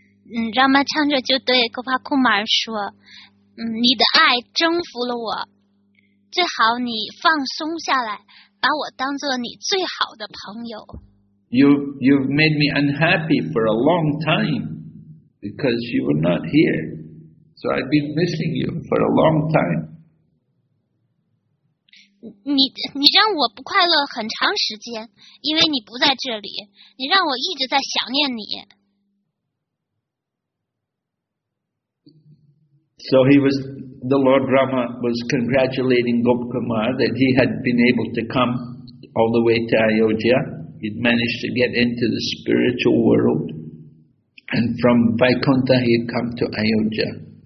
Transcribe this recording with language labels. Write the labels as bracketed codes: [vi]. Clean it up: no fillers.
[zh] Ramachandra 就对 Gopakumar 说，你的爱征服了我，最好你放松下来，把我当做你最好的朋友。 [en] You've made me unhappy for a long time because you were not here. So I've been missing you for a long time. [zh] 你让我不快乐很长时间，因为你不在这里，你让我一直在想念你。 [en] So the Lord Rama was congratulating Gopakumar that he had been able to come all the way to Ayodhya. He'd managed to get into the spiritual world, and from Vaikuntha he had come to Ayodhya.